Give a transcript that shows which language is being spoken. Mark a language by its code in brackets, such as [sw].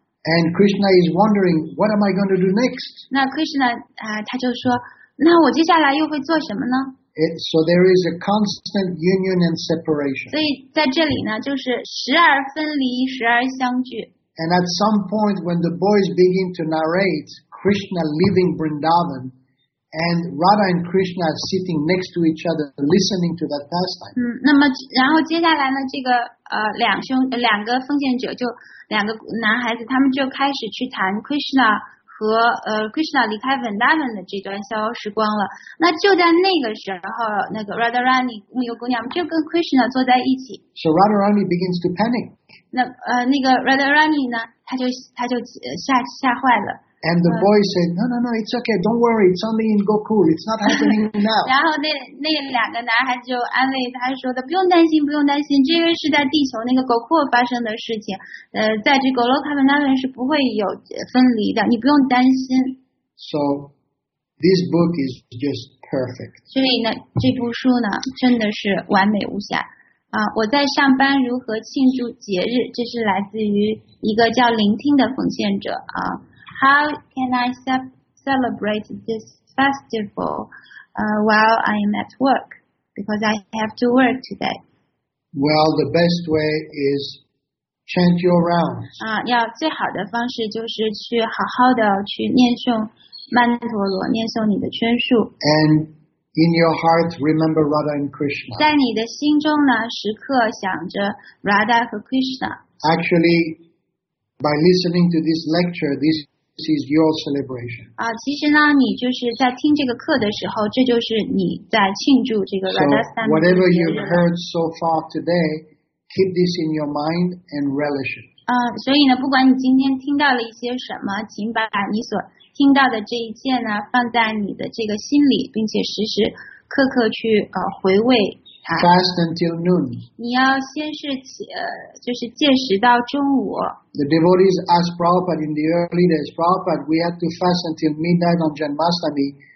[en] ？And Krishna is wondering, what am I going to do next? [zh] 那 Krishna 他就说，那我接下来又会做什么呢 [en] ？So there is a constant union and separation. [zh] 所以在这里呢，就是时而分离，时而相聚。 [en] And at some point, when the boys begin to narrate Krishna leaving Vrindavan. And Radha and Krishna are sitting next to each other, listening to that pastime. [zh] 那么然后接下来呢，这个两个奉献者就两个男孩子，他们就开始去谈 Krishna 和Krishna 离开 Vrindavan 的这段逍遥时光了。那就在那个时候，那个 Radharani 牧牛姑娘就跟 Krishna 坐在一起。 [en] So Radharani begins to panic. [zh] 那个 Radharani 呢，他就吓坏了。 [en] And the boy said, no, it's okay, don't worry, it's only in Gokul, it's not happening now. [zh] 然后那两个男孩就安慰他说的，不用担心，这个是在地球那个Gokul发生的事情，在这个Goloka Vrindavan是不会有分离的，你不用担心。 [en] So, this book is just perfect. [zh] 所以呢，这部书呢，真的是完美无瑕。我在上班如何庆祝节日，这是来自于一个叫聆听的奉献者啊。 [en] How can I celebrate this festival while I am at work? Because I have to work today. Well, the best way is chant your rounds. [zh] 最好的方式就是去好好的去念诵曼陀罗，念诵你的圈数。 [en] And in your heart, remember Radha and Krishna. [zh] 在你的心中呢，时刻想着 Radha 和 Krishna. [en] Actually, by listening to this lecture, This is your celebration. [zh] 其实呢，你就是在听这个课的时候，这就是你在庆祝这个 Radha-sthana. [en] So whatever you've heard so far today, keep this in your mind and relish it. [zh] 所以呢，不管你今天听到了一些什么，请把你所听到的这一切呢，放在你的这个心里，并且时时刻刻去回味它。 [en] Fast until noon. [zh] 你要先是就是戒食到中午。 [en] The devotees asked Prabhupada in the early days, Prabhupada, we have to fast until midnight on Janmashtami.